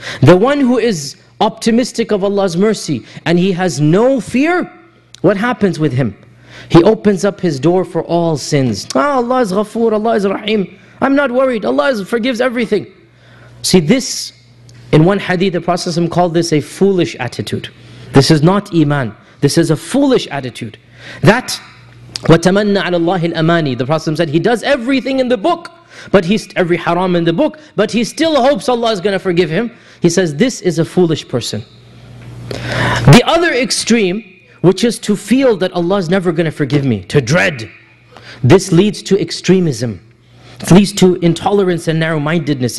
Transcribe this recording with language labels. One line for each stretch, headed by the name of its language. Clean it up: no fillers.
English: The one who is optimistic of Allah's mercy and he has no fear, what happens with him? He opens up his door for all sins. Ah, Allah is ghafoor, Allah is rahim. I'm not worried, Allah forgives everything. See this, in one hadith, the Prophet ﷺ called this a foolish attitude. This is not iman. This is a foolish attitude. That,
Arabic: وَتَمَنَّ عَلَى اللَّهِ الْأَمَانِي.
English: The Prophet ﷺ said, he does everything in the book, but he's every haram in the book, but he still hopes Allah is going to forgive him. He says, this is a foolish person. The other extreme, which is to feel that Allah is never going to forgive me, to dread. This leads to extremism. It leads to intolerance and narrow-mindedness.